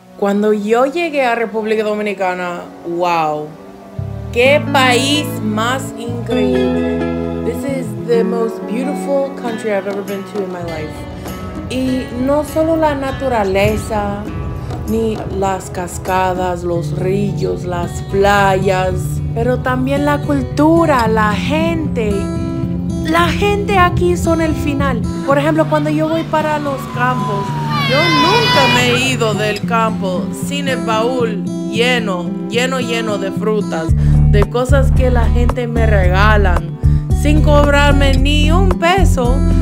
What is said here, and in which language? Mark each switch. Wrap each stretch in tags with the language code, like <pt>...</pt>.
<es>Cuando yo llegué a República Dominicana, wow, qué país más increíble.</es> <en>This is the most beautiful country I've ever been to in my life.</en> <es>Y no solo la naturaleza, ni las cascadas, los ríos, las playas, pero también la cultura, la gente. La gente aquí son el final. Por ejemplo, cuando yo voy para los campos, yo nunca me he ido del campo sin el baúl lleno de frutas, de cosas que la gente me regalan, sin cobrarme ni un peso.</es>